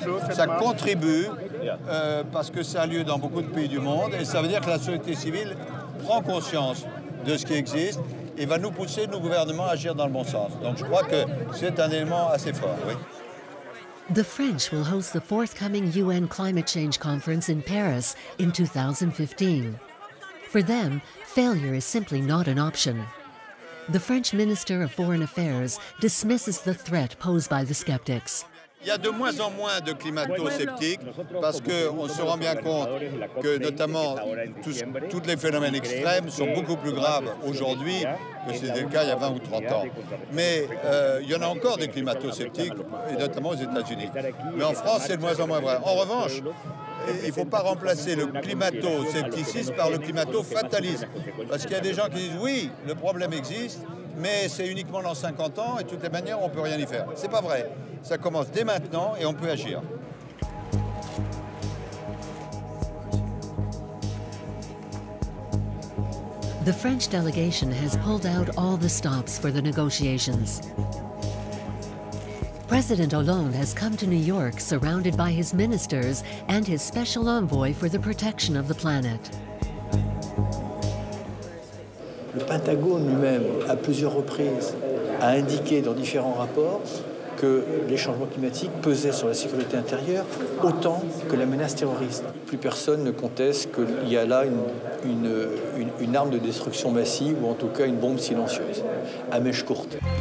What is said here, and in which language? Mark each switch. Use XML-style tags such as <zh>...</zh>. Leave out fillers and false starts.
<fr>Ça contribue parce que ça a lieu dans beaucoup de pays du monde et ça veut dire que la société civile prend conscience de ce qui existe et va nous pousser, nos gouvernements, à agir dans le bon sens. Donc je crois que c'est un élément assez fort, oui.</fr> <en>The French will host the forthcoming UN Climate Change Conference in Paris in 2015. For them, failure is simply not an option. The French Minister of Foreign Affairs dismisses the threat posed by the skeptics.</en> <fr>Il y a de moins en moins de climato-sceptiques parce qu'on se rend bien compte que notamment tous les phénomènes extrêmes sont beaucoup plus graves aujourd'hui que c'était le cas il y a 20 ou 30 ans. Mais il y en a encore des climato-sceptiques, et notamment aux États-Unis. Mais en France, c'est de moins en moins vrai. En revanche, il ne faut pas remplacer le climato-scepticisme par le climato-fatalisme. Parce qu'il y a des gens qui disent « oui, le problème existe, mais c'est uniquement dans 50 ans et de toutes les manières, on ne peut rien y faire ». Ce n'est pas vrai. Ça commence dès maintenant et on peut agir.</fr> <en>The French delegation has pulled out all the stops for the negotiations. President Hollande has come to New York surrounded by his ministers and his special envoy for the protection of the planet.</en> <fr>Le Pentagone lui-même, à plusieurs reprises, a indiqué dans différents rapports que les changements climatiques pesaient sur la sécurité intérieure autant que la menace terroriste. Plus personne ne conteste qu'il y a là une arme de destruction massive ou en tout cas une bombe silencieuse, à mèche courte.</fr>